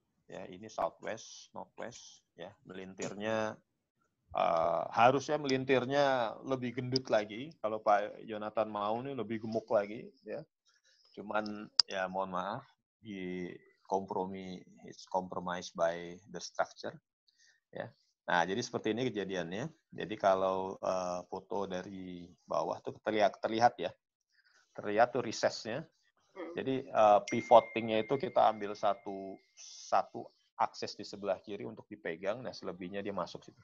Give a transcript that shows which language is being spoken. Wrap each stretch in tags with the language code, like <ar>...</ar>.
<id>Ya, ini southwest, northwest ya. Melintirnya harusnya melintirnya lebih gendut lagi. Kalau Pak Jonathan mau nih lebih gemuk lagi ya. Cuman ya mohon maaf di kompromi,</id> <en>it's compromised by the structure.</en> <id>Ya. Nah, jadi seperti ini kejadiannya. Jadi kalau foto dari bawah tuh terlihat ya. Terlihat tuh recess-nya. Jadi pivoting-nya itu kita ambil satu akses di sebelah kiri untuk dipegang, nah selebihnya dia masuk situ.</id>